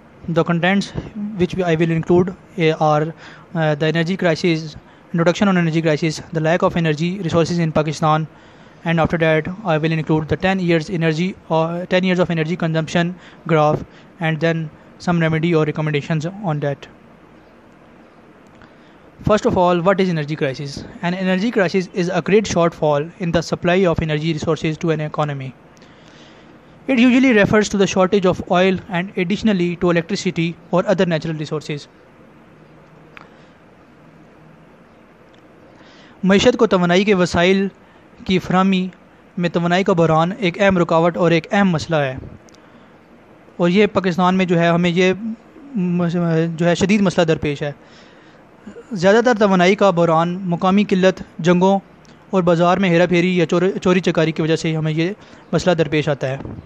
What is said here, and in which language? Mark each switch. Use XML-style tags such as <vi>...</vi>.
<en>The contents which I will include are the energy crisis, introduction on energy crisis, the lack of energy resources in Pakistan, and after that I will include the 10 years of energy consumption graph and then some remedy और recommendation on that. First of all, what is energy crisis? An energy crisis is a great shortfall in the supply of energy resources to an economy. It usually refers to the shortage of oil and additionally to electricity or other natural resources.</en> <ur>معیشت کو توانائی کے وسائل کی فراہمی میں توانائی کا بحران ایک اہم رکاوٹ اور ایک اہم مسئلہ ہے، اور یہ پاکستان میں جو ہے ہمیں یہ جو ہے شدید مسئلہ درپیش ہے۔ زیادہ تر توانائی کا بحران مقامی قلت، جنگوں اور بازار میں ہیرا پھیری یا چوری چکاری کی وجہ سے ہمیں یہ مسئلہ درپیش آتا ہے۔</ur>